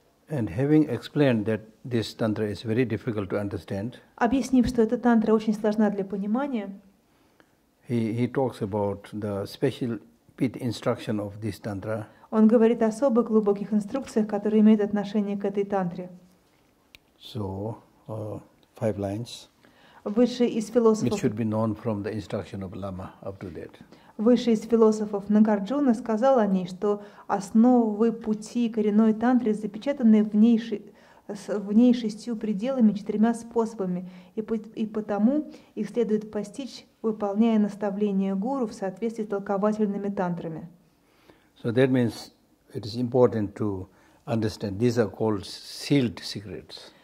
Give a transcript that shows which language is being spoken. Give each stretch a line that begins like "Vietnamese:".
English: And having explained that this tantra is very difficult to understand,
Russian: объяснив, что эта тантра очень сложна для понимания,
English: he talks about the special pit instruction of this tantra.
Russian: Он говорит о особо глубоких инструкциях, которые имеют отношение к этой тантре.
English: So, five lines.
Russian: Высший из философов.
English: It should be known from the instruction of Lama up to that.
Russian: Высший из философов Нагарджуна сказал о ней, что основы пути коренной тантры запечатаны в ней шестью пределами, четырьмя способами, и потому их следует постичь, выполняя наставления гуру в соответствии с толковательными тантрами.
English: So that means it is important to understand. These are called sealed secrets.